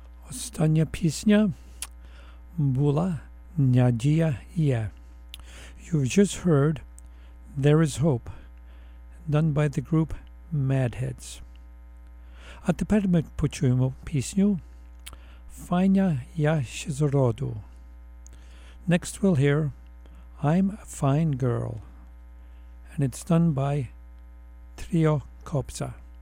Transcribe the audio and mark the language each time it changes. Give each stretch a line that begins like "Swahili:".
Ukrainian: Остання пісня була «Надія є».
English: You've just heard «There is Hope», done by the group Madheads.
Ukrainian: А тепер ми почуємо пісню «Файня я ще зроду».
English: Next we'll hear «I'm a fine girl», and it's done by Trio Копца.